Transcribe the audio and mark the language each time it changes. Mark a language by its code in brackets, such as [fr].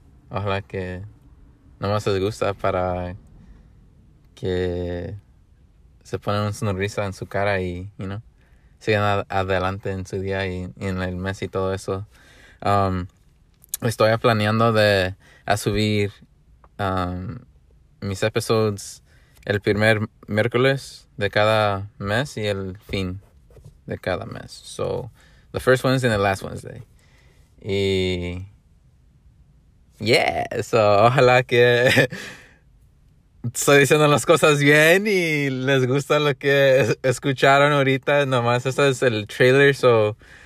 [es] Ojalá que nomás les gusta para que se pone una sonrisa en su cara y, siguen adelante en su día y en el mes y todo eso. Estoy planeando de a subir mis episodios el primer miércoles de cada mes y el fin de cada mes. [en] So, the first Wednesday and the last Wednesday. [es] Y, yeah, so, ojalá que estoy diciendo las cosas bien y les gusta lo que escucharon ahorita. Nomás, este es el trailer, so